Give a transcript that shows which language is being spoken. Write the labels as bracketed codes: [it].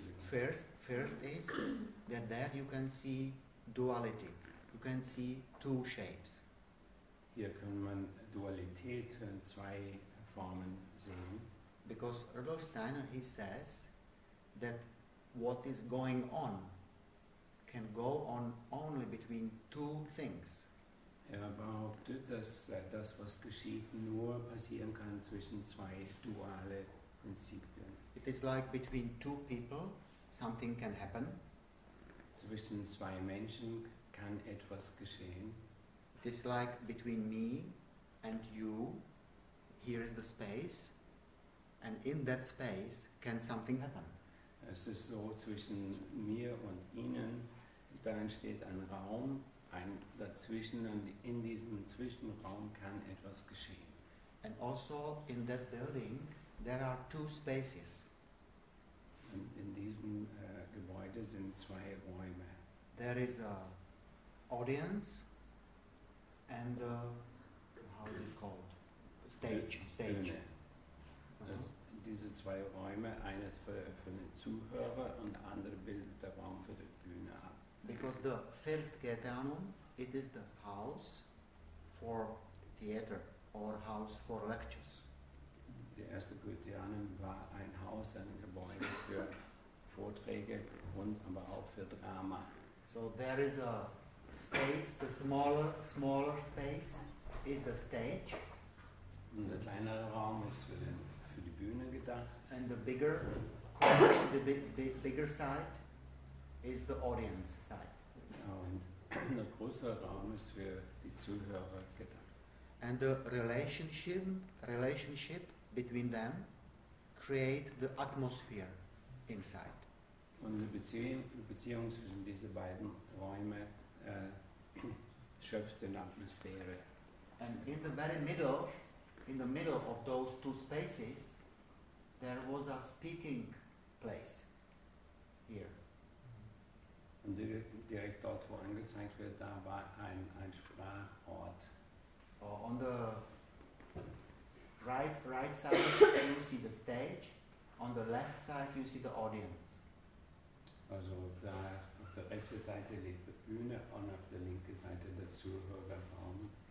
[en] first is that there you can see duality. You can see two shapes. [de] Hier kann man Dualität in zwei Formen sehen. [en] Because Rudolf Steiner, he says that what is going on can go on only between two things. [de] Er behauptet, dass das, was geschieht, nur passieren kann zwischen zwei duale Prinzipien. [en] It is like between two people, something can happen. [de] Zwischen zwei Menschen kann etwas geschehen. [en] It is like between me and you, here is the space, and in that space can something happen. [de] Es ist so, zwischen mir und Ihnen, da entsteht ein Raum, ein dazwischen, und in diesem Zwischenraum kann etwas geschehen. [en] And also in that building, there are two spaces. [de] Und in diesem Gebäude sind zwei Räume. [en] There is a audience and a, how is it called? Stage. [de] Diese zwei Räume, eines für den Zuhörer und der andere bildet der Raum für die Bühne ab. [en] Because the first Goetheanum, it is the house for theater or house for lectures. [de] Der erste Goetheanum war ein Haus, ein Gebäude für Vorträge und aber auch für Drama. [en] So there is a space, the smaller space is the stage. [de] Und der kleinere Raum ist für den für die Bühne gedacht. [en] And the bigger corner, the bigger side is the audience side. [de] Und der größere Raum ist für die Zuhörer gedacht. [en] And the relationship between them create the atmosphere inside. [de] Und die Beziehung zwischen diesen beiden Räumen schöpft eine Atmosphäre. [en] And in the very middle, in the middle of those two spaces, there was a speaking place here. [de] Und direkt dort, wo angezeigt wird, da war ein Sprachort. [en] So on the right side you see the stage, on the left side you see the audience. [de] Also da auf der rechten Seite liegt die Bühne und auf der linken Seite der Zuhörerraum.